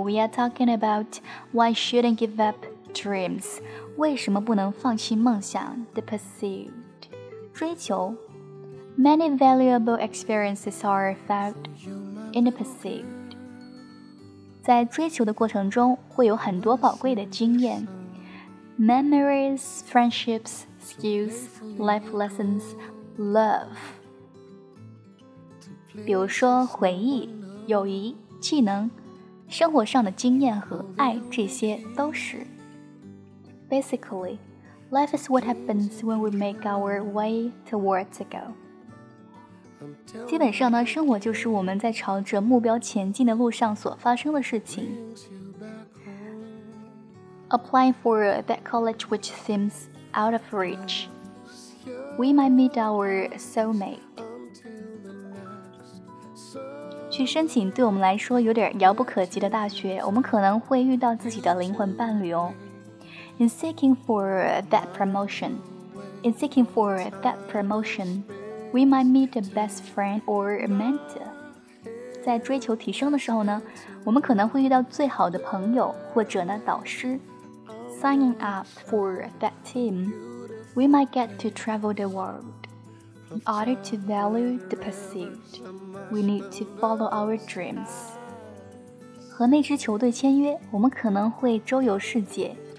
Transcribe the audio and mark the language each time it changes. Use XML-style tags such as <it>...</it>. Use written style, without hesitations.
<en>We are talking about why shouldn't give up dreams.</en> <zh>为什么不能放弃梦想</zh> <en>The pursuit.</en> <zh>追求</zh> <en>Many valuable experiences are found in the pursuit.</en> <zh>在追求的过程中会有很多宝贵的经验。</zh> <en>Memories, friendships, skills, life lessons, love.</en> <zh>比如说回忆、友谊、技能、生活上的经验和爱，这些都是。</zh> <en>Basically, life is what happens when we make our way towards a goal.</en> <zh>基本上呢，生活就是我们在朝着目标前进的路上所发生的事情。</zh> <en>Applying for that college which seems out of reach, we might meet our soulmate.</en> <zh>去申请对我们来说有点遥不可及的大学，我们可能会遇到自己的灵魂伴侣哦。</zh> <en>In seeking for that promotion, we might meet a best friend or a mentor.</en> <zh>在追求提升的时候呢，我们可能会遇到最好的朋友或者呢导师。</zh> <en>Signing up for that team, we might get to travel the world. In order to value the pursuit, we need to follow our dreams.</en> <zh>和那支球队签约，我们可能会周游世界。</zh>